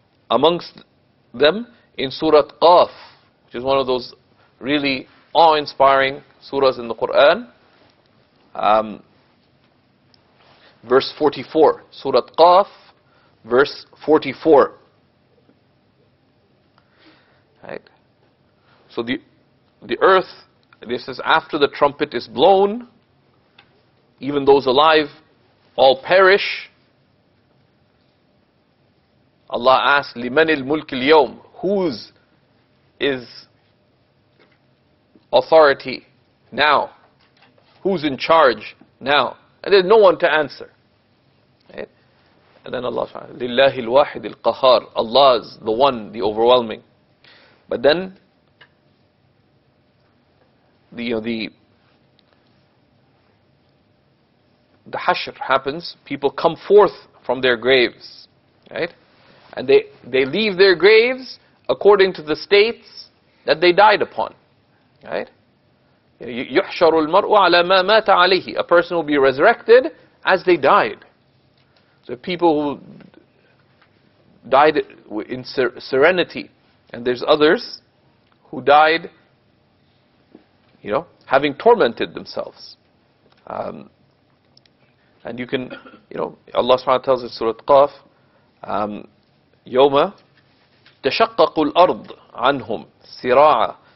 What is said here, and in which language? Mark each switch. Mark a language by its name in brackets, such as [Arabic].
[English] Amongst them, in Surah Qaf, which is one of those really awe-inspiring surahs in the Quran, verse 44, Surah Qaf, verse 44. Right. So the earth This is after the trumpet is blown, even those alive all perish. Allah asks, [Arabic] لمن الملك اليوم? [English] Whose is authority now? Who's in charge now? And there's no one to answer. And then Allah says, [Arabic] لله الواحد القهار. [English] Allah is the one, the overwhelming. But then, the hashr happens. People come forth from their graves, right? And they leave their graves according to the states that they died upon, right? [Arabic] يحشر المرء على ما مات عليه. [English] A person will be resurrected as they died. So people who died in serenity, and there's others who died, you know, having tormented themselves. And you can, you know, Allah subhanahu wa ta'ala tells in Surah Qaf, [Arabic] يَوْمَ تَشَقَّقُ الْأَرْضِ عَنْهُمْ سِرَاعًا.